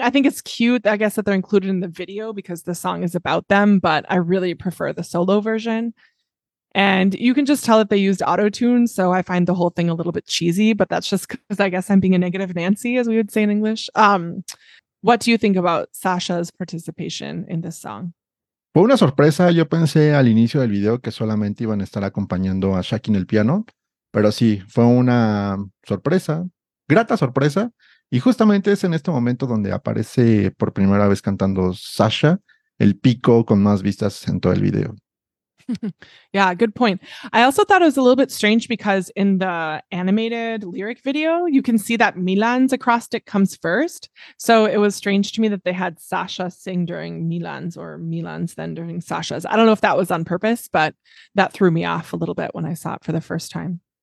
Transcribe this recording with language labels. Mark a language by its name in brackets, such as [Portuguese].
[English] I think it's cute, I guess, that they're included in the video because the song is about them, but I really prefer the solo version. And you can just tell that they used auto-tune, so I find the whole thing a little bit cheesy, but that's just because I guess I'm being a negative Nancy, as we would say in English. What do you think about Sasha's participation in this song? [Spanish] Fue una sorpresa. Yo pensé al inicio del video que solamente iban a estar acompañando a Shakira en el piano, pero sí, fue una sorpresa. Grata sorpresa, y justamente es en este momento donde aparece por primera vez cantando Sasha, el pico con más vistas en todo el video. [English] Yeah, good point. I also thought it was a little bit strange because in the animated lyric video, you can see that Milan's acrostic comes first. So it was strange to me that they had Sasha sing during Milan's or Milan's then during Sasha's. I don't know if that was on purpose, but that threw me off a little bit when I saw it for the first time.